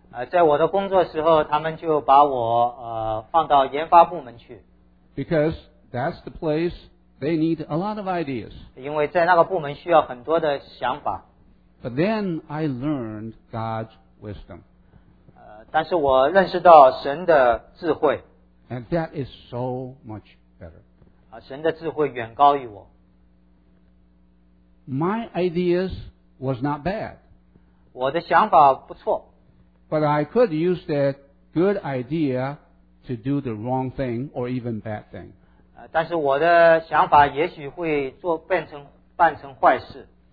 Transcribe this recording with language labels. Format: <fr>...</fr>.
<zh>在我的工作时候，他们就把我放到研发部门去。</zh> <en>Because that's the place they need a lot of ideas.</en> <zh>因为在那个部门需要很多的想法。</zh> <en>But then I learned God's wisdom.</en> <zh>但是我认识到神的智慧。</zh> <en>And that is so much better.</en> <zh>神的智慧远高于我。</zh> <en>My ideas was not bad.</en> <zh>我的想法不错。</zh> <en>But I could use that good idea to do the wrong thing or even bad thing.</en> <zh>但是我的想法也许会做办成坏事。</zh>